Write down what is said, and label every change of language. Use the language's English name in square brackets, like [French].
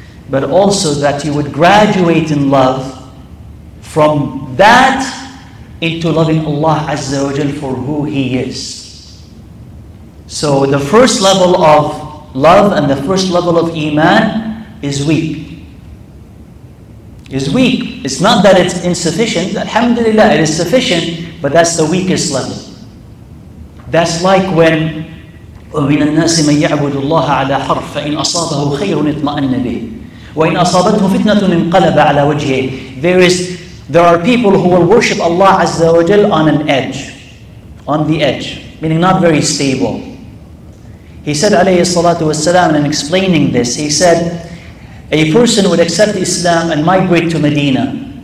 [English] But also that you would graduate in love from that into loving Allah Azza wa Jal for who He is. So the first level of love and the first level of Iman is weak. Is weak. It's not that it's insufficient. Alhamdulillah, it is sufficient. But that's the weakest level. That's like when [Arabic] وَمِنَ النَّاسِ مَنْ يَعْبُدُ اللَّهَ عَلَى حَرْفٍ فَإِنْ أَصَابَهُ خَيْرٌ اطْمَأَنَّ بِهِ وَإِنْ أَصَابَتْهُ فِتْنَةٌ انْقَلَبَ عَلَى وَجْهِهِ. [English] There are people who will worship Allah Azza wa Jal on an edge. On the edge. Meaning not very stable. He said alayhi salatu wasalam, in explaining this, he said, a person would accept Islam and migrate to Medina.